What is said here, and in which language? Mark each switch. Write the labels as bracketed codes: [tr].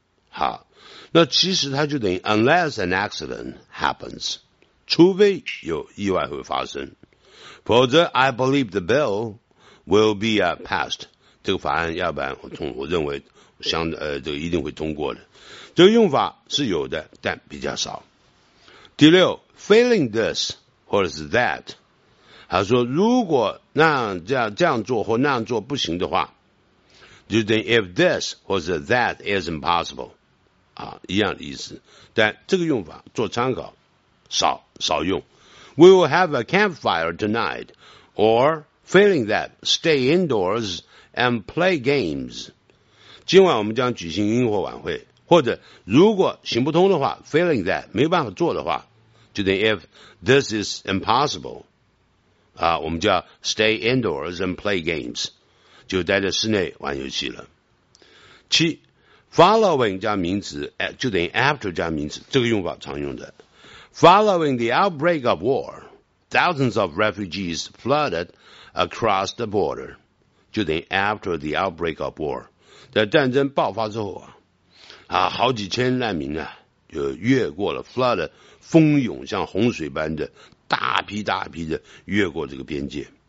[zh] 好，那其实他就等于 [en] unless an accident happens， [zh] 除非有意外会发生，否则 [en] I believe the bill will be passed， [zh] 这个法案要不然 我认为像这个一定会通过的，这个用法是有的，但比较少。第六 ，failing this 或者是 that，他说如果那这样做或那样做不行的话，就等于 if this 或者 that is impossible 啊，一样的意思，但这个用法做参考少用。 [en] We will have a campfire tonight or failing that stay indoors and play games， [zh] 今晚我们将举行萤火晚会，或者如果行不通的话 failing that 没办法做的话，就等于 [en] if this is impossible [zh] 啊，我们叫 [en] stay indoors and play games， [zh] 就待在室内玩游戏了。七 ,following 加名词就等于 after 加名词，这个用法常用的。 [en] Following the outbreak of war, thousands of refugees flooded across the border, [zh] 就等于 [en] after the outbreak of war, [zh] 在战争爆发之后啊，好几千难民啊就越过了 flooded, 蜂涌像洪水般的大批大批的越过这个边界。